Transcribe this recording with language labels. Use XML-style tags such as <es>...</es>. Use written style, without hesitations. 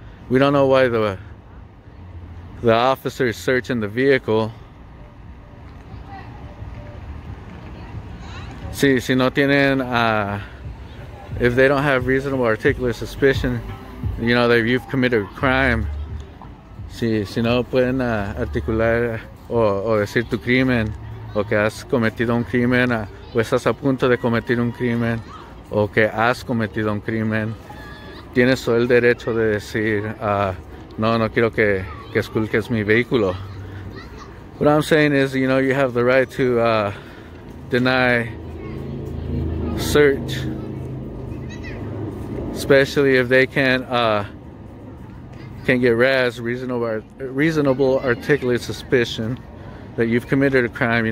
<en>We don't know why the officer is searching the vehicle.</en> <es>Sí, si no tienen,</es> <en>if they don't have reasonable articular suspicion, you know, that you've committed a crime.</en> <es>Si no pueden articular o decir tu crimen, o que has cometido un crimen, o estás a punto de cometer un crimen, o que has cometido un crimen, tienes todo el derecho de decir, no quiero que esculques mi vehículo.</es> <en>What I'm saying is, you know, you have the right to deny search, especially if they can get reasonable articulate suspicion that you've committed a crime.</en>